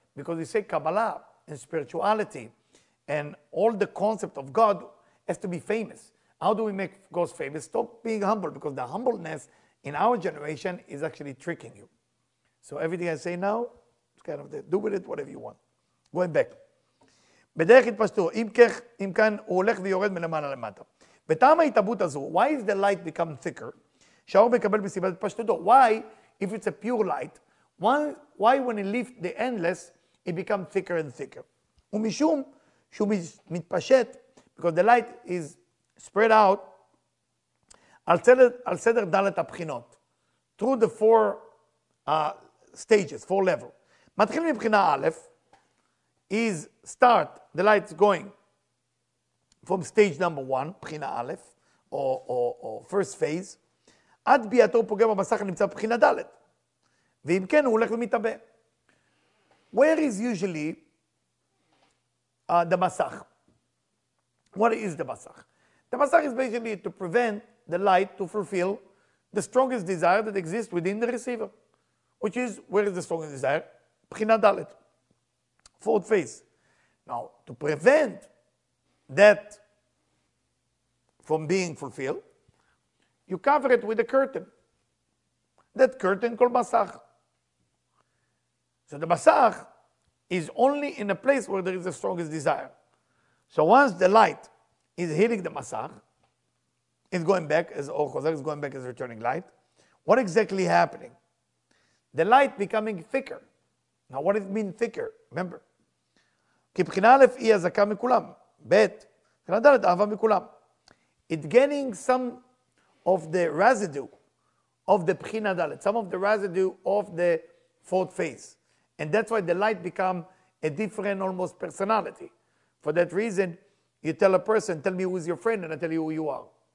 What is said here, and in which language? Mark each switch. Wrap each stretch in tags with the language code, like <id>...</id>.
<en>Because he said Kabbalah and spirituality and all the concept of God has to be famous. How do we make God famous? Stop being humble, because the humbleness in our generation is actually tricking you. So everything I say now, it's kind of the, do with it whatever you want. Going back.</en> <he>בדרך התפשטו, אם כאן הוא הולך ויורד מלמעלה למטה. בטעם ההתאבות הזו,</he> <en>why is the light become thicker?</en> <he>שהאור מקבל בסיבת התפשטותו.</he> <en>Why, if it's a pure light, why when it lift the endless, it becomes thicker and thicker?</en> <he>ומשום שהוא מתפשט,</he> <en>because the light is spread out,</en> <he>על סדר דלת הבחינות,</he> <en>through the four stages, four level.</en> <he>מתחיל מבחינה א',</he> <en>is start, the light is going from stage number one,</en> <he>בחינה א',</he> <en>or first phase,</en> <he>עד ביאתו פוגע במסך נמצא בחינה ד', ואם כן, הוא הולך ומתאבא.</he> <en>Where is usually the מסך? What is the מסך? The מסך is basically to prevent the light to fulfill the strongest desire that exists within the receiver, which is, where is the strongest desire? בחינה ד'. Fourth phase. Now, to prevent that from being fulfilled, you cover it with a curtain. That curtain called Masach. So the Masach is only in a place where there is the strongest desire. So once the light is hitting the Masach, it's going back, as Or Chozer is going back as returning light, what exactly happening? The light becoming thicker. Now, what does it mean thicker?</en> <he>Remember, כי בחינה א' היא הזכה מכולם, ב' בחינה ד' אהבה מכולם.</he> <en>It getting some of the residue of the בחינה ד', some of the residue of the fourth phase. And that's why the light become a different almost personality. For that reason, you tell a person, tell me who is your friend and I tell you who you are.</en>